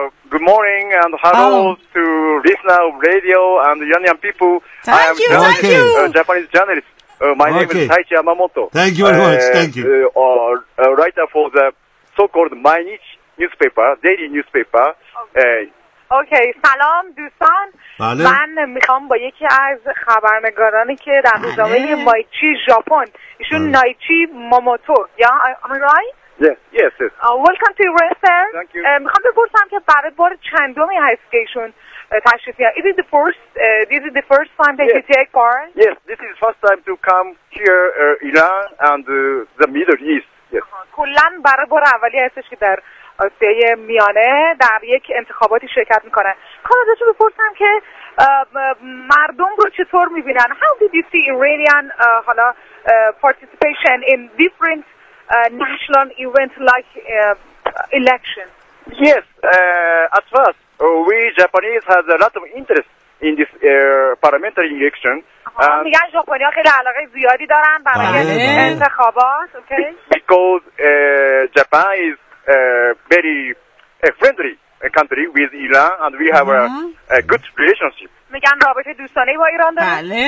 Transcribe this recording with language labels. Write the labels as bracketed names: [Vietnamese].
[English] Good morning and hello to Visna Radio and the Iranian people. Thank you. Japanese journalist. My name is Taichi Yamamoto. Thank you very much. Thank you. Writer for the so-called Mainichi newspaper, daily newspaper. Okay. Salam, Dusan. [Persian] من میخوام با یکی از خبرنگارانی که در روزنامه مایچی ژاپن، ایشون نایچی ماموتو. [English] Yeah, am I right? Yes. Welcome to your rest. Thank you. [Persian] میخوام بپرسم که برای بار چندومی هست که ایشون تشریف میارن؟ [English] This is the first time that you take part. Yes, this is the first time to come here Iran and the Middle East. Yes. [Persian] کلاً برای بار اولی هستش که در آسیای میانه در یک انتخاباتی شرکت میکنن. کار ازشون بپرسم که مردم رو چطور میبینن؟ [English] How did you see Iranian participation in different national event like election? Yes, at first we Japanese had a lot of interest in this parliamentary election. [Persian] میگن ژاپنی‌ها خیلی علاقه زیادی دارن برای انتخابات. [English] Because Japan is very friendly country with Iran and we have a good relationship. [Persian] میگن رابطه دوستانه با ایران دارن.